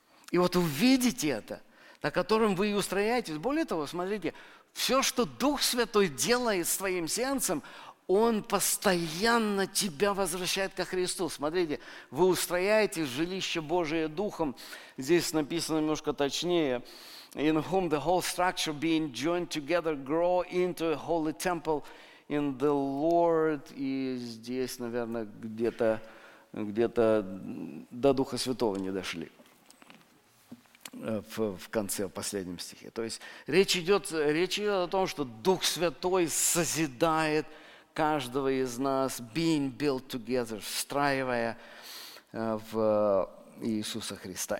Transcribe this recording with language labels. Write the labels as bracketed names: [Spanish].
[Russian] И вот увидите это, на котором вы и устрояетесь. Более того, смотрите, все, что Дух Святой делает с твоим сердцем, Он постоянно тебя возвращает ко Христу. Смотрите, вы устрояете жилище Божие Духом. Здесь написано немножко точнее. [English] In whom the whole structure being joined together grow into a holy temple in the Lord. [Russian] И здесь, наверное, где-то до Духа Святого не дошли. В конце, в последнем стихе. То есть речь идет о том, что Дух Святой созидает каждого из нас, [English] being built together, [Russian] встраивая в Иисуса Христа.